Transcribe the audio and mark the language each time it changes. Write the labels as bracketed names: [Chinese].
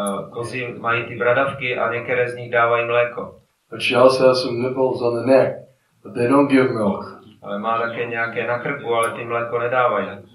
[Czech] Kozy mají ty bradavky a některé z nich dávají mléko. [English] But she also has some nipples on the neck, but they don't give milk. [Czech] Ale má také nějaké na krku, ale ty mléko nedávají.